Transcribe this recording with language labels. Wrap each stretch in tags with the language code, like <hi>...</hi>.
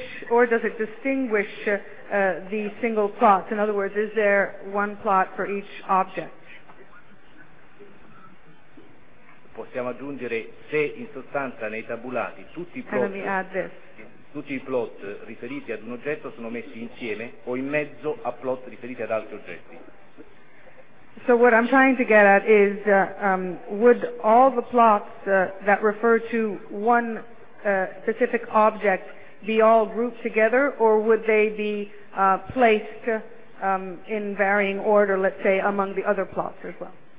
<en>Does it distinguish the single plots? In other words, is there one plot for each object?</en> <it>Possiamo aggiungere se in sostanza nei tabulati tutti i plot riferiti ad un oggetto sono messi insieme o in mezzo a plot riferiti ad altri oggetti.</it> <en>So what I'm trying to get at is would all the plots that refer to one specific object be all grouped together or would they be placed in varying order, let's say, among the other plots as well?</en>